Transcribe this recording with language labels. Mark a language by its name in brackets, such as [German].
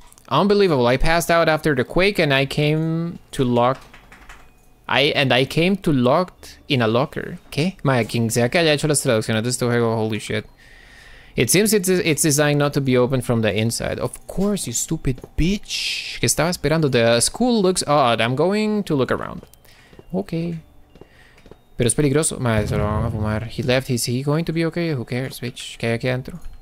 [English] Unbelievable. I passed out after the quake and I came to lock. I came to locked in a locker. [Spanish] ¿Qué? Maya, quien sea que haya hecho las traducciones de este juego, [English] holy shit. It seems it's designed not to be opened from the inside. Of course, you stupid bitch. [Spanish] ¿Qué estaba esperando? [English] The school looks odd. I'm going to look around. Okay. [Spanish] Pero es peligroso. [English] Maya, [Spanish] se lo van a fumar. [English] He left. Is he going to be okay? Who cares, bitch? [Spanish] ¿Qué hay aquí adentro?